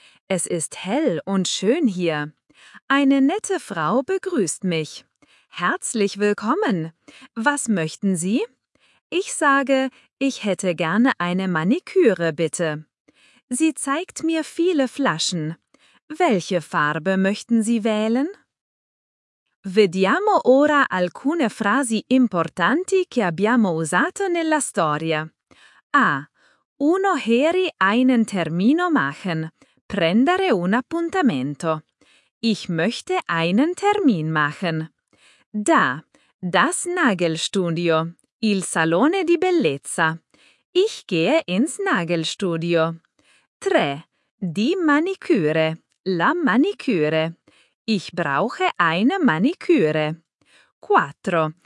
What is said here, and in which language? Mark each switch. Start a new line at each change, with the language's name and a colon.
German: Es ist hell und schön hier. Eine nette Frau begrüßt mich. Herzlich willkommen. Was möchten Sie? Ich sage, ich hätte gerne eine Maniküre, bitte. Sie zeigt mir viele Flaschen. Welche Farbe möchten Sie wählen?
Italian: Vediamo ora alcune frasi importanti che abbiamo usato nella storia. A. Uno heri einen Termino machen. Prendere un appuntamento.
German: Ich möchte einen Termin machen. Da. Das Nagelstudio.
Italian: Il salone di bellezza.
German: Ich gehe ins Nagelstudio. 3. Die Maniküre.
Italian: La Maniküre.
German: Ich brauche eine Maniküre. 4.